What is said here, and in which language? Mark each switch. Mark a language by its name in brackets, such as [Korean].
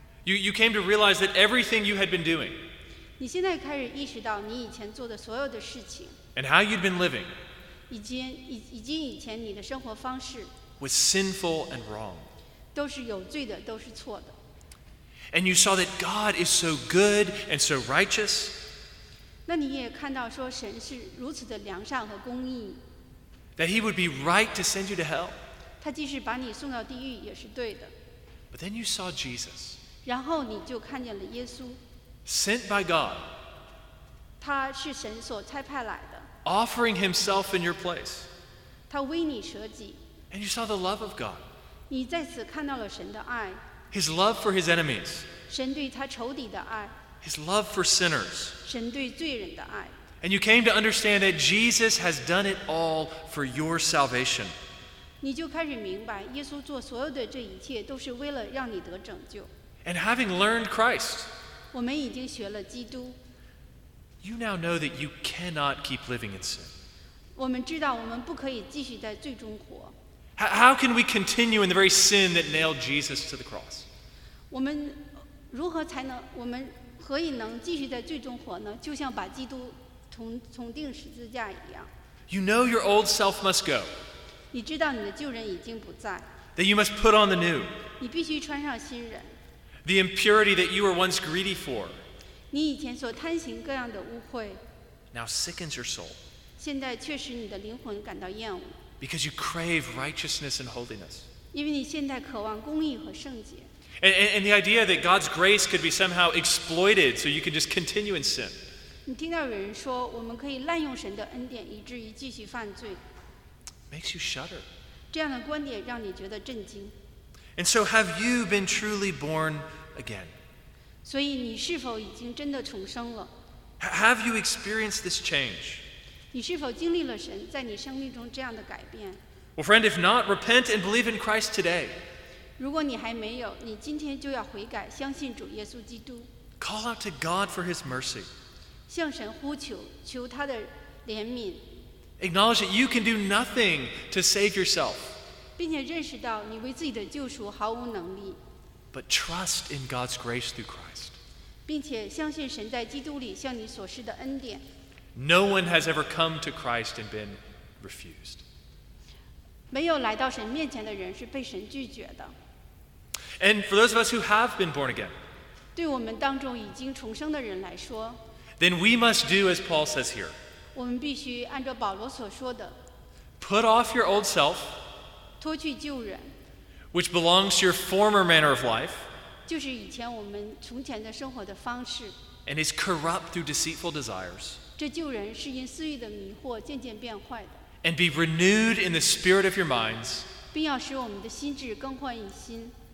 [English] You came to realize that everything you had been doing. [Chinese] 你现在开始意识到你以前做的所有的事情。 [English] And how you'd been living. [Chinese] 以前你的生活方式。 [English] Was sinful and wrong. [Chinese] 都是有罪的，都是错的。 [English] And you saw that God is so good and so righteous. [Chinese] 那你也看到说神是如此的良善和公义。 [English] That he would be right to send you to hell. [Chinese] 他即使把你送到地狱也是对的。 [English] But then you saw Jesus. [Chinese] 然后你就看见了耶稣。 [English] Sent by God. [Chinese] 他是神所差派来的。 [English] Offering himself in your place. [Chinese] 他为你舍己。 [English] And you saw the love of God. [Chinese] 你在此看到了神的爱。 [English] His love for his enemies. [Chinese] 神对他仇敌的爱。 [English] His love for sinners. [Chinese] 神对罪人的爱。 [English] And you came to understand that Jesus has done it all for your salvation. [Chinese] 你就开始明白，耶稣做所有的这一切都是为了让你得拯救。 [English] And having learned Christ, [Chinese] 我们已经学了基督。 [English] You now know that you cannot keep living in sin. [Chinese] 我们知道我们不可以继续在罪中活。 [English] How can we continue in the very sin that nailed Jesus to the cross? [Chinese] 我们何以能继续在罪中活呢？就像把基督同钉十字架一样。 [English] You know your old self must go. [Chinese] 你知道你的旧人已经不在。 [English] That you must put on the new. [Chinese] 你必须穿上新人。 [English] The impurity that you were once greedy for. [Chinese] 你以前所贪行各样的污秽。 [English] Now sickens your soul. [Chinese] 现在却使你的灵魂感到厌恶。 [English] Because you crave righteousness and holiness. [Chinese] 因为你现在渴望公义和圣洁。 [English] And the idea that God's grace could be somehow exploited so you can just continue in sin. [Chinese] 你听到有人说，我们可以滥用神的恩典以至于继续犯罪。 [English] Makes you shudder. [Chinese] 这样的观点让你觉得震惊。 [English] And so, have you been truly born again? [Chinese] 所以你是否已经真的重生了？ [English] Have you experienced this change? [Chinese] 你是否经历了神在你生命中这样的改变？ [English] Well, friend, if not, repent and believe in Christ today. [Chinese] 如果你还没有，你今天就要悔改，相信主耶稣基督。 [English] Call out to God for His mercy. [Chinese] 向神呼求，求他的怜悯。 [English] Acknowledge that you can do nothing to save yourself. [Chinese] 并且认识到你为自己的救赎毫无能力。 [English] But trust in God's grace through Christ. [Chinese] 并且相信神在基督里向你所施的恩典。 [English] No one has ever come to Christ and been refused. [Chinese] 没有来到神面前的人是被神拒绝的。 [English] And for those of us who have been born again. [Chinese] 对我们当中已经重生的人来说。 [English] Then we must do as Paul says here. [Chinese] 我们必须按照保罗所说的 [English] ，put off your old self， [Chinese] 脱去旧人 [English] ，which belongs to your former manner of life， [Chinese] 就是以前我们从前的生活的方式 [English] ，and is corrupt through deceitful desires， [Chinese] 这旧人是因私欲的迷惑渐渐变坏的 [English] ，and be renewed in the spirit of your minds， [Chinese] 并要使我们的心智更换一新